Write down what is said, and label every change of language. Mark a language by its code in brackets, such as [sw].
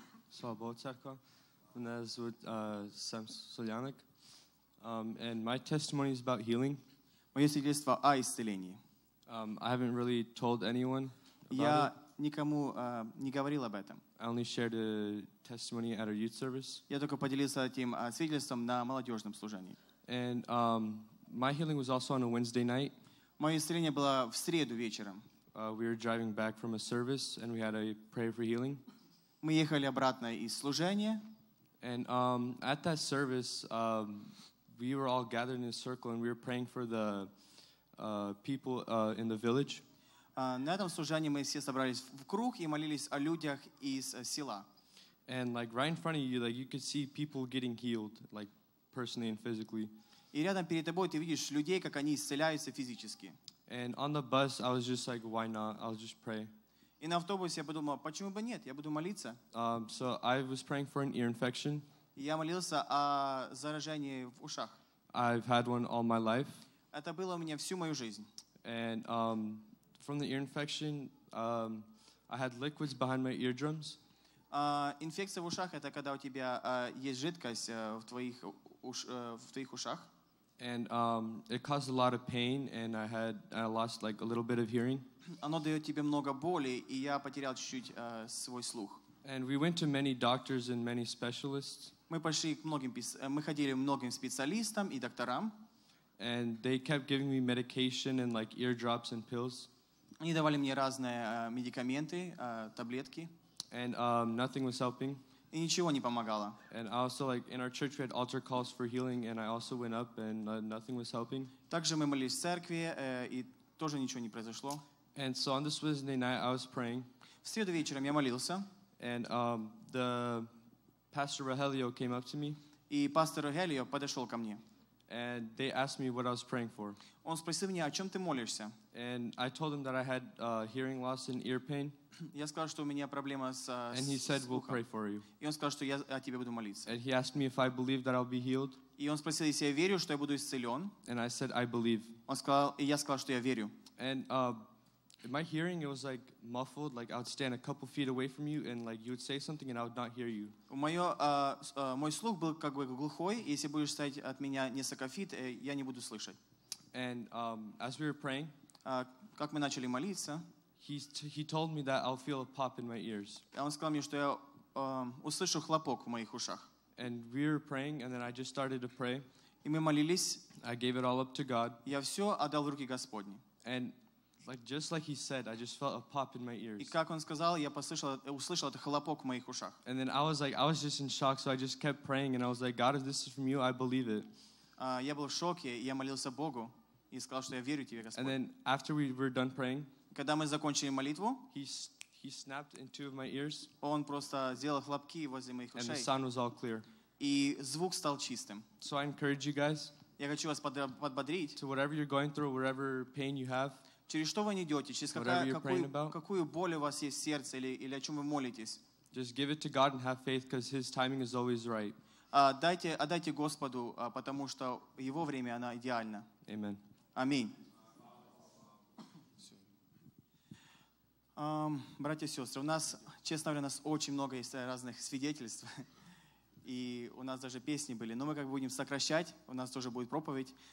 [ru] Слава Богу, церковь. Меня зовут Сэм Сульяник. [en] And my testimony is about healing. [ru] Мое свидетельство о исцелении. [en] I haven't really told anyone about [ru] Я никому не говорил об этом. [en] I only shared a testimony at our youth service. [ru] Я только поделился этим свидетельством на молодежном служении. [en] And my healing was also on a Wednesday night. [ru] Мое исцеление было в среду вечером. [en] We were driving back from a service and we had a prayer for healing. [ru] Мы ехали обратно из служения. [en] And at that service, we were all gathered in a circle and we were praying for the people in the village. [ru] На этом служении мы все собрались в круг и молились о людях из села. [en] And like right in front of you, like you could see people getting healed, like personally and physically. [ru] И рядом перед тобой ты видишь людей, как они исцеляются физически. [en] And on the bus, I was just like, why not? I'll just pray. [ru] И на автобусе я подумал, почему бы нет? Я буду молиться. [en] So I was praying for an ear infection. [ru] Я молился о заражении в ушах. [en] I've had one all my life. [ru] Это было у меня всю мою жизнь. [en] And from the ear infection, I had liquids behind my eardrums. [ru] Инфекция в ушах — это когда у тебя есть жидкость в твоих ушах. [en] And it caused a lot of pain, and I lost like a little bit of hearing. [ru] Оно дает тебе много боли, и я потерял чуть-чуть свой слух. [en] And we went to many doctors and many specialists. [ru] Мы пошли к многим, мы ходили многим специалистам и докторам. [en] And they kept giving me medication and like eardrops and pills. [ru] Они давали мне разные медикаменты, таблетки. [en] And nothing was helping. [ru] И ничего не помогало. [en] And also, like in our church, we had altar calls for healing, and I also went up, and nothing was helping. [ru] Также мы молились в церкви, и тоже ничего не произошло. [en] And so on this Wednesday night, I was praying. [ru] В среду вечером я молился. [en] And the pastor Rogelio came up to me. [ru] И пастор Рогелио подошел ко мне. [en] And they asked me what I was praying for. [ru] Он спросил меня, о чем ты молишься. [en] And I told him that I had hearing loss and ear pain. [ru] Я сказал, что у меня проблема с слухом. [en] And he said, we'll pray for you. [ru] И он сказал, что я о тебе буду молиться. [en] And he asked me if I believe that I'll be healed. [ru] И он спросил, если я верю, что я буду исцелен. [en] And I said, I believe. [ru] Он сказал, и я сказал, что я верю. [en] And in my hearing, it was like muffled, like I would stand a couple feet away from you, and like you would say something, and I would not hear you. [ru] Мой слух был как бы глухой, если будешь стоять от меня несколько feet, я не буду слышать. [en] And as we were praying, [ru] как мы начали молиться, [en] he told me that I'll feel a pop in my ears. [ru] Он сказал мне, что я услышу хлопок в моих ушах. [en] and we were praying, and then I just started to pray. [ru] И мы молились. [en] I gave it all up to God. [ru] Я все отдал в руки Господни. [en] And like just like he said, I just felt a pop in my ears. [ru] И как он сказал, я услышал этот хлопок в моих ушах. [en] And then I was like, I was just in shock, so I just kept praying, and I was like, God, if this is from you, I believe it. [ru] Я был в шоке, и я молился Богу, и сказал, что я верю тебе, Господь. [en] And then after we were done praying, [ru] когда мы закончили молитву, [en] he snapped in two of my ears. [ru] Он просто сделал хлопки возле моих ушей. [en] And the sound was all clear. [ru] И звук стал чистым. [en] So I encourage you guys. [ru] Я хочу вас подбодрить. [en] To whatever you're going through, whatever pain you have. [ru] Через что вы идете, через какую боль у вас есть в сердце или о чем вы молитесь. [en] Just give it to God and have faith, because His timing is always right. [ru] Отдайте Господу, потому что Его время, оно идеально. [en] Amen. [ru] Аминь. Братья и сестры, у нас, честно говоря, у нас очень много есть разных свидетельств. И у нас даже песни были. Но мы как бы будем сокращать, у нас тоже будет проповедь.